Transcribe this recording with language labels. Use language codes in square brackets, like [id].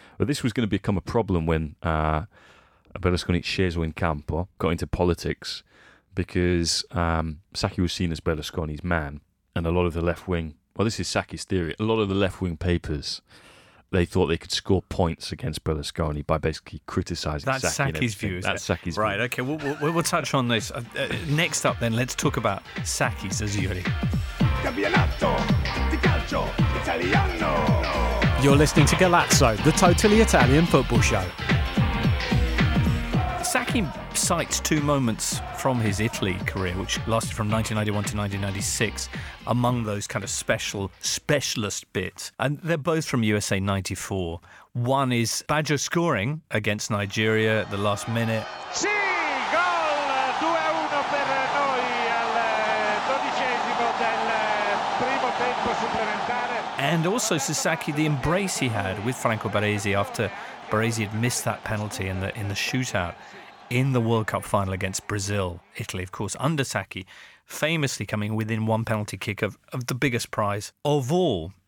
[en] But this was going to become a problem when Berlusconi [it] sceso in campo, [en] got into politics, because Sacchi was seen as Berlusconi's man, and a lot of the left-wing, well, this is Sacchi's theory, a lot of the left-wing papers, they thought they could score points against Berlusconi by basically criticising Sacchi. That's Sacchi's view. Right, OK, we'll touch on this. Next up, then, let's talk about Sacchi, says Yuri. [it] Campionato di calcio italiano. [en] You're listening to Galazzo, the totally Italian football show. Sacchi cites 2 moments from his Italy career, which lasted from 1991 to 1996, among those kind of specialist bits. And they're both from USA 94. One is Baggio scoring against Nigeria at the last minute. [it] Sì, gol 2-1 per noi al dodicesimo del primo tempo supplementare. [en] And also Sacchi, the embrace he had with Franco Baresi after Baresi had missed that penalty in the shootout in the World Cup final against Brazil, Italy, of course, under Sacchi, famously coming within one penalty kick of the biggest prize of all.